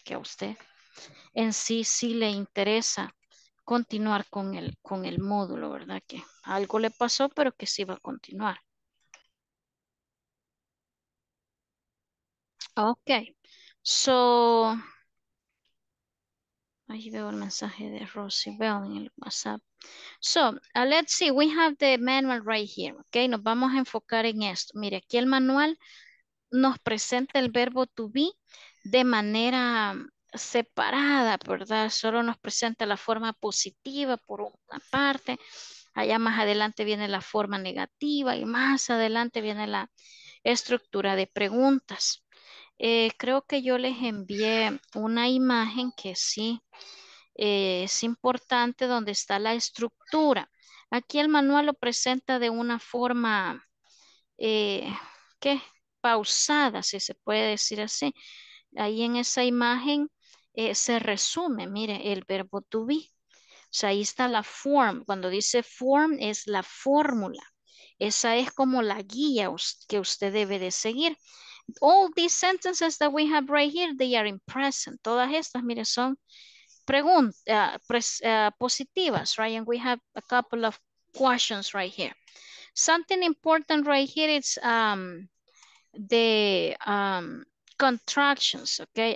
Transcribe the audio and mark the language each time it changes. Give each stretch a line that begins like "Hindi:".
Spanish: Que a usted en sí sí le interesa continuar con el módulo, ¿verdad? Que algo le pasó, pero que sí va a continuar. Ok. So, ahí veo el mensaje de Rosy Bell en el WhatsApp.
English: So, let's see, we have the manual right here, okay?
Spanish: Nos vamos a enfocar en esto. Mire, aquí el manual nos presenta el verbo to be de manera separada, ¿verdad? Solo nos presenta la forma positiva por una parte. Allá más adelante viene la forma negativa y más adelante viene la estructura de preguntas. Creo que yo les envié una imagen que sí es importante, donde está la estructura. Aquí el manual lo presenta de una forma ¿qué? Pausada, si se puede decir así. Ahí en esa imagen se resume, mire, el verbo to be. O sea, ahí está la form. Cuando dice form, es la fórmula. Esa es como la guía que usted debe de seguir.
English: All these sentences that we have right here, they are in present.
Spanish: Todas estas, mire, son positivas, right?
English: And we have a couple of questions right here. Something important right here is the contractions, okay?